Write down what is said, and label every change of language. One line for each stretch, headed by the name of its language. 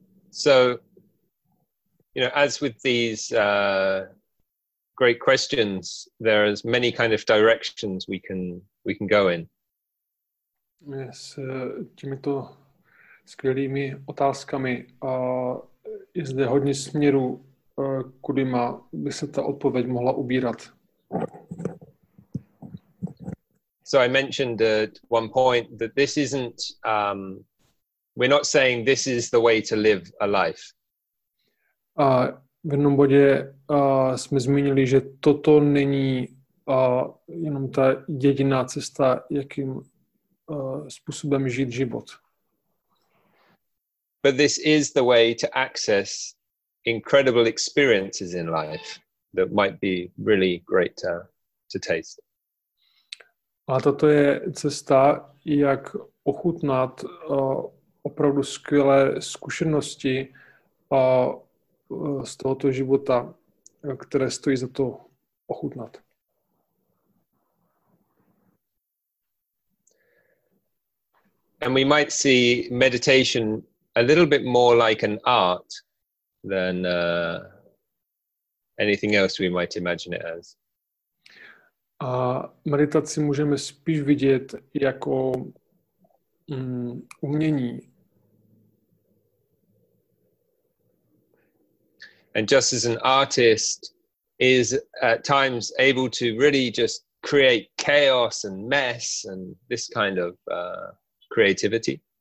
English: So, you know, as with these great questions, there are many kind of directions we can go in.
Czech: S těmito skvělými otázkami a je zde hodně směrů, kudy má, by se ta odpověď mohla ubírat.
English: So I mentioned at one point that this isn't, we're not saying this is the way to live a life.
Czech: A v jednom bodě jsme zmínili, že toto není jenom ta jediná cesta, jakým způsobem žít život.
English: But this is the way to access incredible experiences in life that might be really great to taste.
Czech: A toto je cesta, jak ochutnat opravdu skvělé zkušenosti z tohoto života, které stojí za to ochutnat.
English: And we might see meditation a little bit more like an art than anything else we might imagine it as.
Czech: A meditaci můžeme spíš vidět jako umění.
English: And just as an artist is at times able to really just create chaos and mess and this kind of creativity.